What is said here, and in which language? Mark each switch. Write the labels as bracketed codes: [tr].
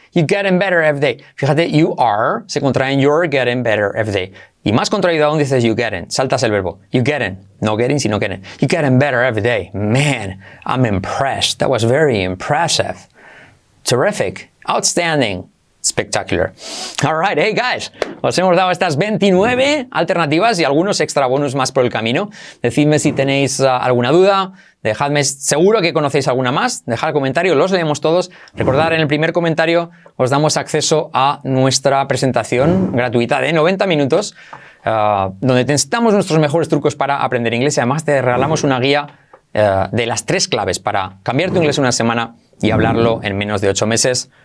[en] You're getting better every day. [es] Fíjate, you are, se contrae en [en] you're getting better every day. [es] Y más contraído aún dices [en] you're getting, [es] saltas el verbo. [en] You're getting, no getting, sino getting. You're getting better every day. Man, I'm impressed. That was very impressive. Terrific. Outstanding. Spectacular. All right, hey guys, [es] os hemos dado estas 29 alternativas y algunos extra bonus más por el camino. Decidme si tenéis alguna duda, dejadme, seguro que conocéis alguna más, dejad comentario, los leemos todos. Recordad, en el primer comentario os damos acceso a nuestra presentación gratuita de 90 minutos, donde testamos nuestros mejores trucos para aprender inglés y además te regalamos una guía de las tres claves para cambiar tu inglés una semana y hablarlo en menos de 8 meses.